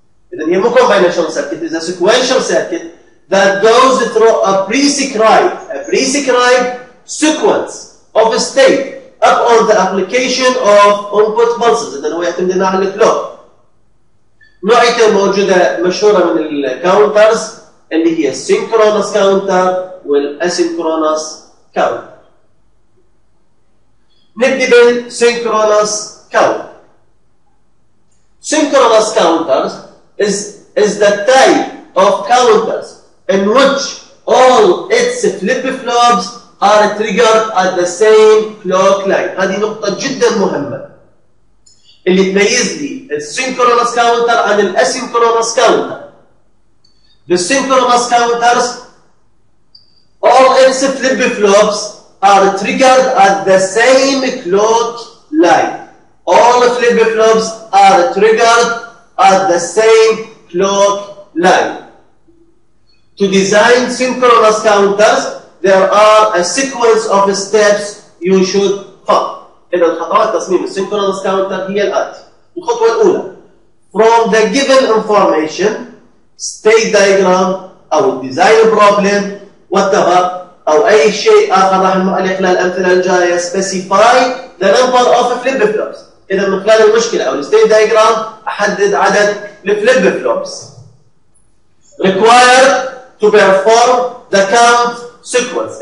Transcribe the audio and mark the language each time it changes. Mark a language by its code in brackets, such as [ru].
[en] Then a combinational circuit is a sequential circuit that goes through a prescribed sequence of a state upon the application of input pulses. [ar] إذا هو يعتمدنا على الكلوك. نوعيته موجودة مشهورة من الكاونترز اللي هي synchronous counter والasynchronous counter. نبدأ بالsynchronous counter. [en] Synchronous counters is the type of counters in which all its flip-flops are triggered at the same clock line. [ar] هذه نقطة جدا مهمة اللي تميز لي synchronous counter عن asynchronous counter. [en] The synchronous counters, all its flip flops are triggered at the same clock line. All flip flops are triggered at the same clock line. To design synchronous counters, there are a sequence of steps you should follow. [ar] إذا خطوات تصميم synchronous counter هي الآتي. الخطوة الأولى: [en] from the given information, state diagram أو design problem whatever [ar] أو أي شيء آخر راح نعلق له الأمثلة الجاية, [en] specify the number of flip flops. [ar] إذا من خلال المشكلة أو state diagram أحدد عدد flip flops. [en] Required to perform the count sequence.